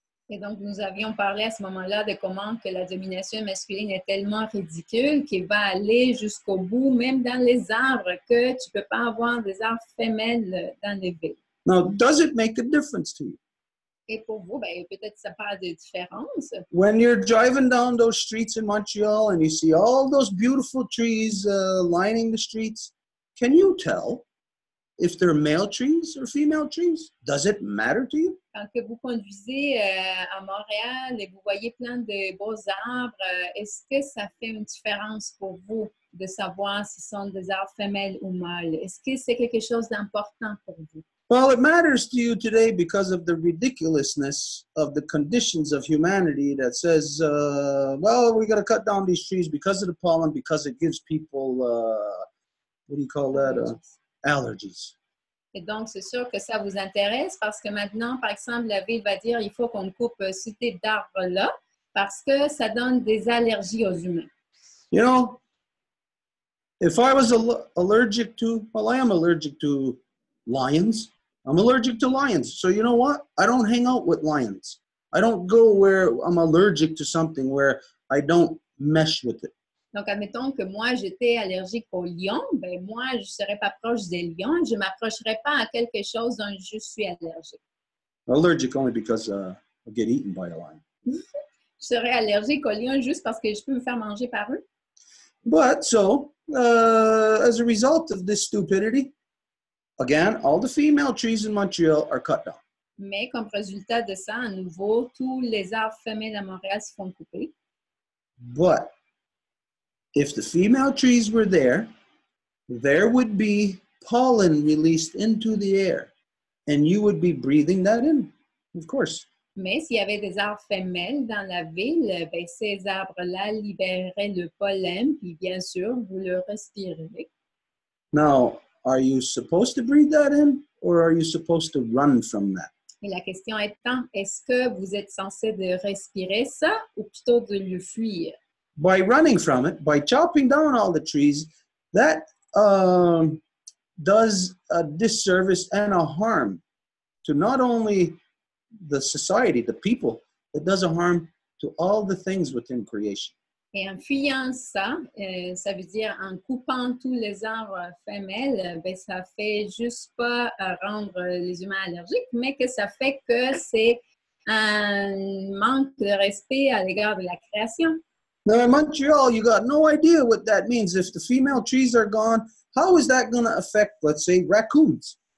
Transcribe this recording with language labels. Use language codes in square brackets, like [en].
[fr] Et donc, nous avions parlé à ce moment-là de comment que la domination masculine est tellement ridicule qu'il va aller jusqu'au bout, même dans les arbres, que tu peux pas avoir des arbres femelles dans les villes. [en] Now, does it make a difference to you? [fr] Et pour vous, ben, peut-être ça parle de différence. [en] When you're driving down those streets in Montreal and you see all those beautiful trees lining the streets, can you tell if they're male trees or female trees? Does it matter to you? [fr] Quand que vous conduisez à Montréal et vous voyez plein de beaux arbres, est-ce que ça fait une différence pour vous de savoir si ce sont des arbres femelles ou mâles? Est-ce que c'est quelque chose d'important pour vous? [en] Well, it matters to you today because of the ridiculousness of the conditions of humanity that says, well, we got to cut down these trees because of the pollen, because it gives people, what do you call that, allergies. [fr] Et donc, c'est sûr que ça vous intéresse parce que maintenant, par exemple, la ville va dire il faut qu'on coupe ce type d'arbre-là parce que ça donne des allergies aux humains. [en] You know, if I was allergic to, well, I am allergic to lions. I'm allergic to lions. So you know what? I don't hang out with lions. I don't go where I'm allergic to something where I don't mesh with it. [fr] Donc admettons que moi j'étais allergique aux lions, ben moi je serais pas proche des lions, je m'approcherais pas à quelque chose dont je suis allergique. [en] Allergic only because I get eaten by a lion. [fr] Je serais allergique aux lions juste parce que je peux me faire manger par eux. [en] But so as a result of this stupidity, again, all the female trees in Montreal are cut down. [fr] Mais comme résultat de ça, à nouveau, tous les arbres femelles à Montréal se font couper. [en] But if the female trees were there, there would be pollen released into the air, and you would be breathing that in, of course. [fr] Mais s'il y avait des arbres femelles dans la ville, ben ces arbres-là libéreraient le pollen, puis bien sûr, vous le respirez. [en] Now, are you supposed to breathe that in, or are you supposed to run from that? [fr] Et la question étant, est-ce que vous êtes censé de respirer ça, ou plutôt de le fuir? [en] By running from it, by chopping down all the trees, that does a disservice and a harm to not only the society, the people, it does a harm to all the things within creation. [fr] Et en fuyant ça, ça veut dire en coupant tous les arbres femelles, ben ça fait juste pas rendre les humains allergiques, mais que ça fait que c'est un manque de respect à l'égard de la création. [en] Now in Montreal, you got no idea what that means. If the female trees are gone, how is that going to affect, let's say, raccoons?